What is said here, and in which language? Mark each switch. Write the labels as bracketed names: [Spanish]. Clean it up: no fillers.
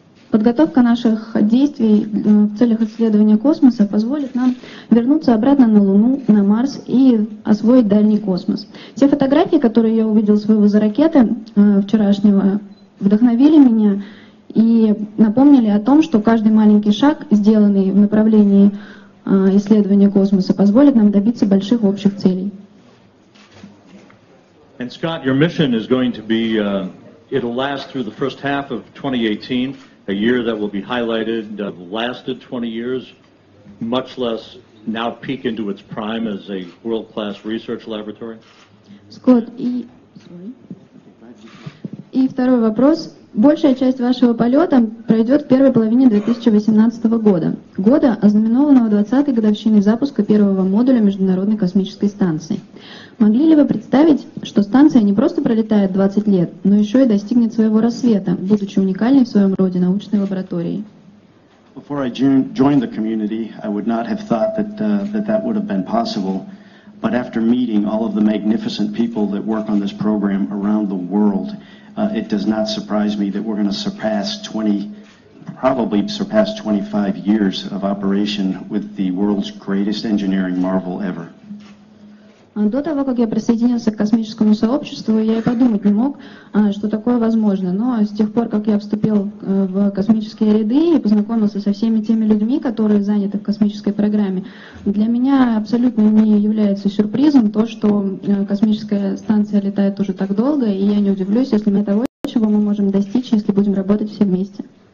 [Russian] Подготовка наших действий в целях исследования космоса позволит нам вернуться обратно на Луну, на Марс и освоить дальний космос. Те фотографии, которые я увидел своего за ракеты вчерашнего, вдохновили меня и напомнили о том, что каждый маленький шаг, сделанный в направлении исследования космоса, позволит нам добиться больших общих целей. [English] And Scott, your mission is going to be, it'll last through the first half of 2018, a year that will be highlighted, lasted 20 years, much less now peak into its prime as a world-class research laboratory. [Russian] Scott, и второй вопрос. Большая часть вашего полета пройдет в первой половине 2018 года, года, ознаменованного 20-й годовщиной запуска первого модуля Международной космической станции. Могли ли вы представить, что станция не просто пролетает 20 лет, но еще и достигнет своего рассвета, будучи уникальной в своем роде научной лабораторией? [English] Before I joined the community, I would not have thought that that would have been possible. But after meeting all of the magnificent people that work on this program around the world, it does not surprise me that we're going to surpass 20, probably surpass 25 years of operation with the world's greatest engineering marvel ever. [Russian] До того, как я присоединился к космическому сообществу, я и подумать не мог, что такое возможно. Но с тех пор, как я вступил в космические ряды и познакомился со всеми теми людьми, которые заняты в космической программе, для меня абсолютно не является сюрпризом то, что космическая станция летает уже так долго, и я не удивлюсь, если мы того, чего мы можем достичь, если будем работать все вместе.